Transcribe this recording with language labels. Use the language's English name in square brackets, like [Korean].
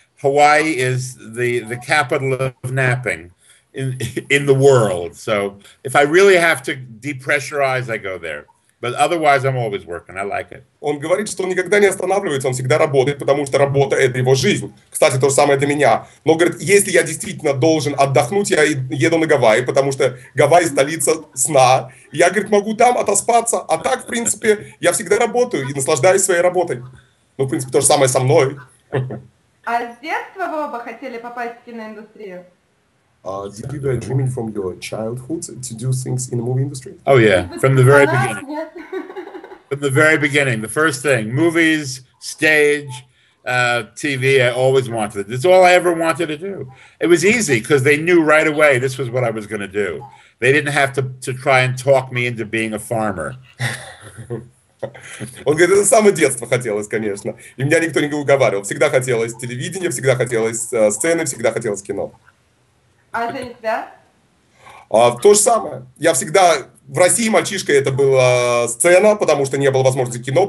[English] Hawaii is the capital of napping in the world. So if I really have to depressurize, I go there. But otherwise, I'm always working. I like it. [Russian] Он говорит, что он никогда не останавливается, он всегда работает, потому что работа – это его жизнь. Кстати, то же самое для меня. Но, говорит, если я действительно должен отдохнуть, я еду на Гавайи, потому что Гавайи – столица сна. Я, говорит, могу там отоспаться. А так, в принципе, я всегда работаю и наслаждаюсь своей работой. Ну, в принципе, то же самое со мной. А с детства вы оба хотели попасть в киноиндустрию? [English] Did you dream from your childhood to do things in the movie industry? Oh yeah, from the very beginning. From the very beginning, the first thing, movies, stage, TV, I always wanted. It's all I ever wanted to do. It was easy because they knew right away this was what I was going to do. They didn't have to try and talk me into being a farmer. [Russian] Он говорит, это с самого детства хотелось, конечно. И меня никто не уговаривал. Всегда хотелось телевидение, всегда хотелось сцены, всегда хотелось кино. А это не тебя? То же самое. Я всегда... В России мальчишкой это была сцена, потому что не было возможности кино.